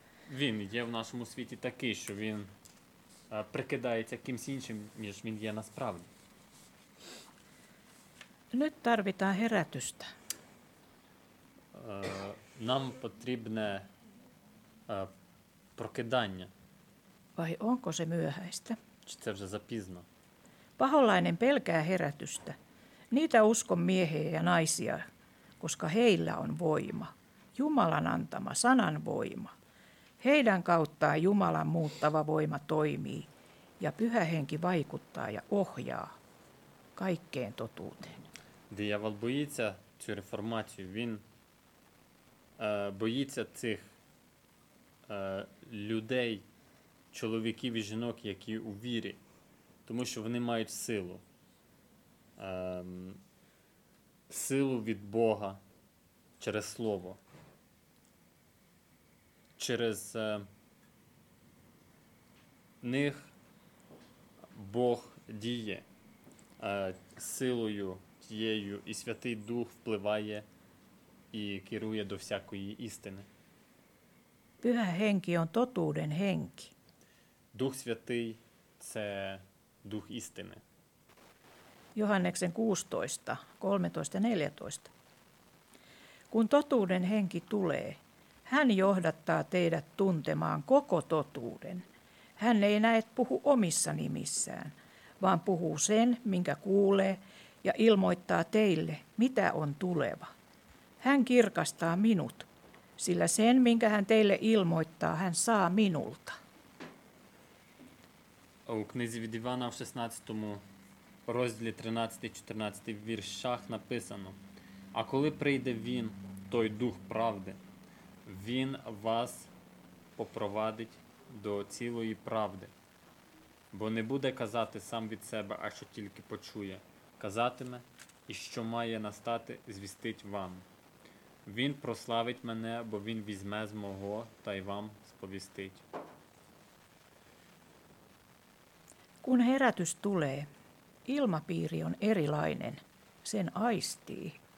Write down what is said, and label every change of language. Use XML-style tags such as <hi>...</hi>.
<uk>Він є в нашому світі такий, що він прикидається кимсь іншим, ніж він є насправді.</uk> <fi>Nyt tarvitaan herätystä.</fi> <uk>Нам потрібне прокидання.</uk> <fi>Vai onko se myöhäistä?</fi> <uk>Чи це вже запізно?</uk> <fi>Paholainen pelkää herätystä. Niitä uskon miehiä ja naisia, koska heillä on voima, Jumalan antama sanan voima. Heidän kauttaan Jumalan muuttava voima toimii ja Pyhä Henki vaikuttaa ja ohjaa kaikkeen totuuteen.</fi> <uk>Диявол боїться цю реформацію. Він боїться цих людей, чоловіків і жінок, які у вірі, тому що вони мають силу. Силу від Бога. Через слово, через них Бог діє силою тією, і Святий Дух впливає і керує до всякої істини.</uk> <fi>Pyhä Henki on totuuden henki.</fi> <uk>Дух Святий – це Дух істини.</uk> <fi>Johanneksen 16, 13 ja 14. Kun totuuden henki tulee, hän johdattaa teidät tuntemaan koko totuuden. Hän ei näe puhu omissa nimissään, vaan puhuu sen, minkä kuulee, ja ilmoittaa teille, mitä on tuleva. Hän kirkastaa minut, sillä sen, minkä hän teille ilmoittaa, hän saa minulta.</fi> <uk>У книзі від Івана в 16 розділі 13-14 віршах написано: а коли прийде він, той дух правди, він вас попровадить до цілої правди. Бо не буде казати сам від себе, а що тільки почує. Казатиме, і що має настати, звістить вам. Він прославить мене, бо він візьме з мого та й вам сповістить.</uk> <fi>Kun herätys tulee, ilmapiiri on erilainen, sen aistii.</fi>